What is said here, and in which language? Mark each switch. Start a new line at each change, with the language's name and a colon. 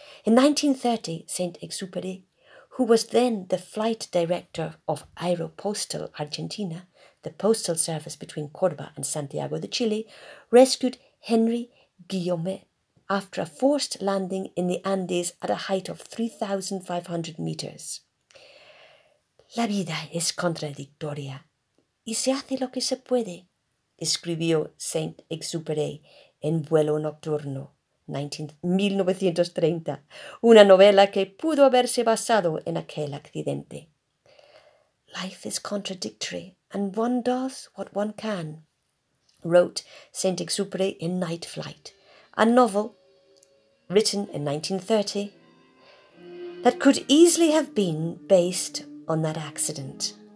English: In 1930, Saint-Exupéry, who was then the flight director of Aeropostal Argentina, the postal service between Córdoba and Santiago de Chile, rescued Henry Guillaumet after a forced landing in the Andes at a height of 3,500 meters.
Spanish: La vida es contradictoria, y se hace lo que se puede, escribió Saint-Exupéry en Vuelo Nocturno, 1930, una novela que pudo haberse basado en aquel accidente.
English: Life is contradictory, and one does what one can, wrote Saint-Exupéry in Night Flight, a novel written in 1930, that could easily have been based on that accident.